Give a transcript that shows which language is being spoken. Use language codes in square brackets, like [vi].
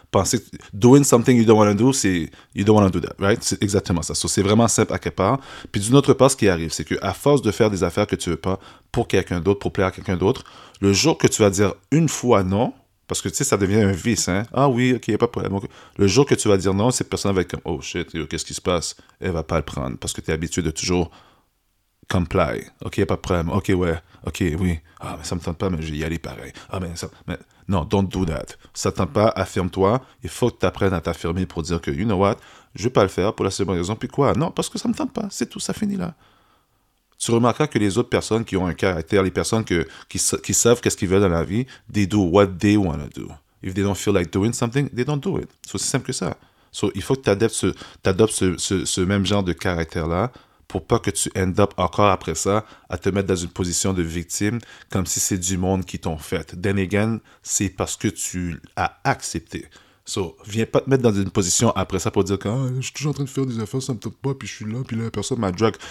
[en] Penser, doing something you don't want to do, c'est, you don't want to do that, right? [fr] C'est exactement ça. So, c'est vraiment simple à quelque part. Puis d'une autre part, ce qui arrive, c'est qu'à force de faire des affaires que tu veux pas pour quelqu'un d'autre, pour plaire à quelqu'un d'autre, le jour que tu vas dire une fois non, parce que tu sais, ça devient un vice, hein? Ah oui, ok, y a pas de problème. Okay. Le jour que tu vas dire non, cette personne va être comme, oh shit, qu'est-ce qui se passe? Elle va pas le prendre parce que tu es habitué de toujours comply. Ok, y a pas de problème. Ok, ouais. Ok, oui. Ah, mais ça me tente pas, mais je vais y aller pareil. Ah, mais ça. Mais, non, [en] don't do that. [fr] Ça tente pas, affirme-toi. Il faut que tu apprennes à t'affirmer pour dire que, [en] you know what, [fr] je vais pas le faire pour la seule raison. Puis quoi? Non, parce que ça me tente pas. C'est tout, ça finit là. Tu remarqueras que les autres personnes qui ont un caractère, les personnes qui savent qu'est-ce qu'ils veulent dans la vie, [en] they do what they want to do. If they don't feel like doing something, they don't do it. [fr] C'est aussi simple que ça. So, il faut que t'adoptes ce même genre de caractère-là pour pas que tu end up encore après ça à te mettre dans une position de victime comme si c'est du monde qui t'ont fait. [en] Then again, [fr] c'est parce que tu as accepté. So, viens pas te mettre dans une position après ça pour dire que ah, je suis toujours en train de faire des affaires, ça me tente pas, puis je suis là, puis là, personne m'a drag.